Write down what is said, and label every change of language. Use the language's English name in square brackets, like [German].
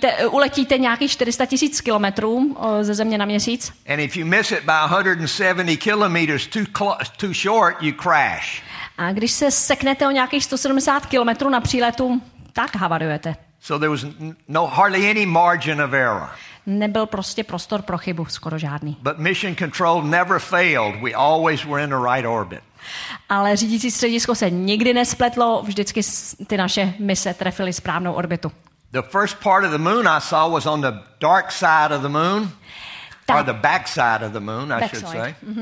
[Czech] Uletíte nějakých 400 tisíc kilometrů ze Země na měsíc. [English] And if you miss it by 170 kilometers too short, you crash. [Czech] A když se seknete o nějakých 170 kilometrů na příletu, tak havarujete. [English] So there was no hardly any margin of error. [Czech] Nebyl prostě prostor pro chybu, skoro žádný. [English] But mission control never failed. We always were in the right orbit. [Czech] Ale řídící středisko se nikdy nespletlo, vždycky ty naše mise trefily správnou orbitu. [English] The first part of the moon I saw was on the dark side of the moon, or the back side of the moon, I should say.